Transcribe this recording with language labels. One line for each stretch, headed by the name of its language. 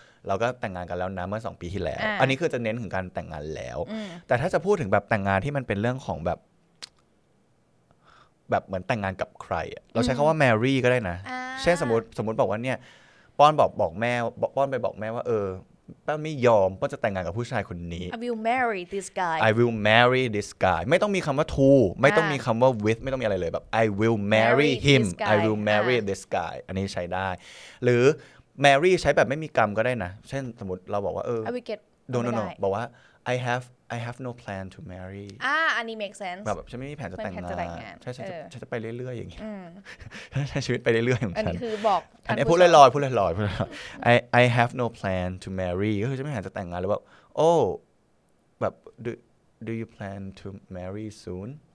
Thai: เราก็แต่งงานกันแล้วนะเมื่อ2ปีที่แล้วอันนี้คือจะเน้นถึงการแต่งงานแล้วแต่ถ้าจะพูดถึงแบบแต่งงานที่มันเป็นเรื่องของแบบเหมือนแต่งงานกับใครเราใช้คำว่าแมรี่ก็ได้นะเช่นสมมติบอกว่าเนี่ยป้อนบอกแม่ป้อนไปบอกแม่ว่าเออป้าไม่ยอมป้าจะแต่งงานกับผู้ชายคนนี้
English: I will marry this guy I will marry this guy
Thai: ไม่ต้องมีคำว่า to ไม่ต้องมีคำว่า with ไม่ต้องมีอะไรเลยแบบ
English: I will marry him I will marry this guy
Thai: อันนี้ใช้ได้หรือ marry ใช้แบบไม่มีกรรมก็ได้นะเช่นสมมติเราบอกว่าเออ
English: I will get no
Thai: บอกว่า
English: I have no plan to marry
Thai: อันนี้
English: make sense
Thai: แบบฉันไม่มีแผนจะแต่งงานฉันจะไปเรื่อยๆอย่างเงี้ ยฉันชีวิตไปเรื่อยๆของฉัน คือบอก อันนี้พูดลอยๆ
English: I have no plan to marry
Thai: ก็คือฉันไม่แผนจะแต่งงานหรือว่าโอ้แบบ
English: do you plan to marry soon